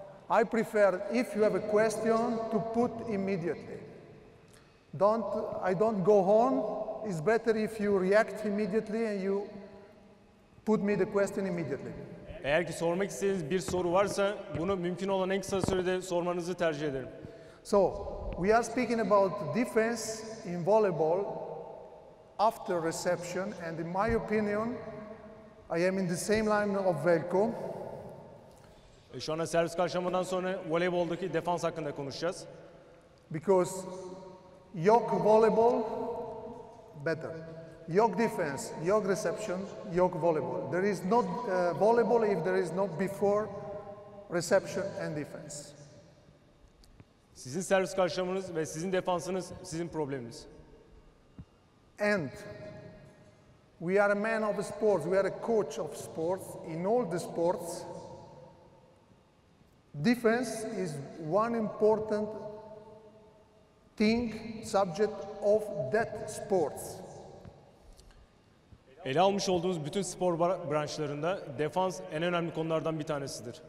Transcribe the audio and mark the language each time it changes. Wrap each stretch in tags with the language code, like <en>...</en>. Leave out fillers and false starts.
<en>I prefer if you have a question to put immediately. I don't go on. It's better if you react immediately and you put me the question immediately.</en> <tr>Eğer ki sormak istediğiniz bir soru varsa, bunu mümkün olan en kısa sürede sormanızı tercih ederim.</tr> <en>So, we are speaking about defense in volleyball after reception, and in my opinion, I am in the same line of Velko.</en> <tr>Şu anda servis karşılamadan sonra voleyboldaki defans hakkında konuşacağız.</tr> <en>Because</en> <tr>yok</tr> <en>volleyball better. Yok defense,</en> <tr>yok</tr> <en>reception, yok volleyball. There is not volleyball if there is not before reception and defense.</en> <tr>Sizin servis karşılamanız ve sizin defansınız sizin probleminiz.</tr> <en>And we are a man of sports, we are a coach of sports. In all the sports, defense is one important thing, subject of that sports.</en> <tr>Ele almış olduğunuz bütün spor branşlarında defans en önemli konulardan bir tanesidir.</tr>